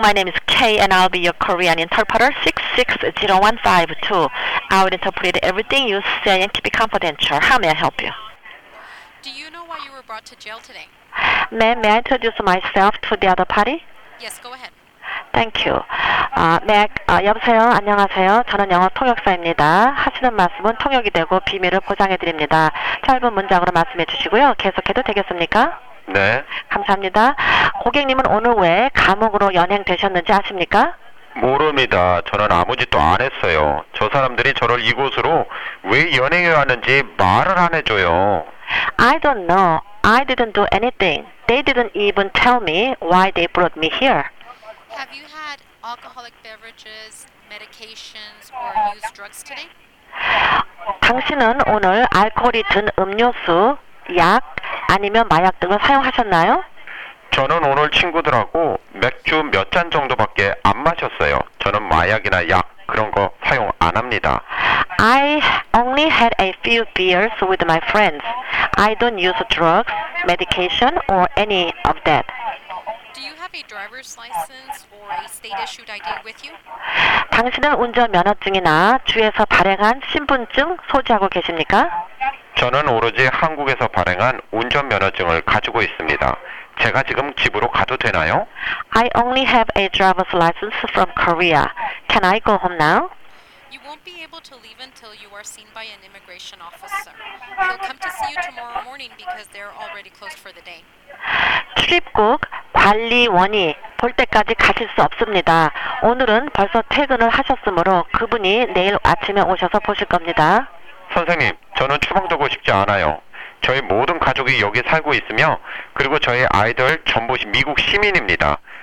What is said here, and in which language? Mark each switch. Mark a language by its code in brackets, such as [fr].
[en] My name is K, and I'll be your Korean interpreter. 660152. I will interpret everything you say and keep it confidential. How may I help you? Do you know why you were brought to jail today? May I introduce myself to the other party? Yes, go ahead. [ko] Thank you. 여보세요. 안녕하세요. 저는 영어 통역사입니다. 하시는 말씀은 통역이 되고 비밀을 보장해드립니다. 짧은 문장으로 말씀해 주시고요. 계속해도 되겠습니까? 네. 감사합니다. 고객님은 오늘 왜 감옥으로 연행되셨는지 아십니까? 모릅니다. 저는 아무 짓도 안 했어요. 저 사람들이 저를 이곳으로 왜 연행해 왔는지 말을 안 해줘요. [en] I don't know. I didn't do anything. They didn't even tell me why they brought me here. Have you had alcoholic beverages, medications, or used drugs today? [ko] 당신은 오늘 알코올이 든 음료수, 약, 아니면 마약 등을 사용하셨나요? 저는 오늘 친구들하고 맥주 몇 잔 정도밖에 안 마셨어요. 저는 마약이나 약 그런 거 사용 안 합니다. [en] I only had a few beers with my friends. I don't use drugs, medication, or any of that. Do you have a driver's license or a state-issued ID with you? [ko] 당신은 운전면허증이나 주에서 발행한 신분증 소지하고 계십니까? 저는 오로지 한국에서 발행한 운전면허증을 가지고 있습니다. 제가 지금 집으로 가도 되나요? [en] I only have a driver's license from Korea. Can I go home now? You won't be able to leave until you are seen by an immigration officer. He'll come to see you tomorrow morning because they're already closed for the day. [ko] 출입국 관리원이 볼 때까지 가실 수 없습니다. 오늘은 벌써 퇴근을 하셨으므로 그분이 내일 아침에 오셔서 보실 겁니다. 선생님, 저는 추방되고 싶지 않아요. 저희 모든 가족이 여기 살고 있으며 그리고 저희 아이들 전부 미국 시민입니다.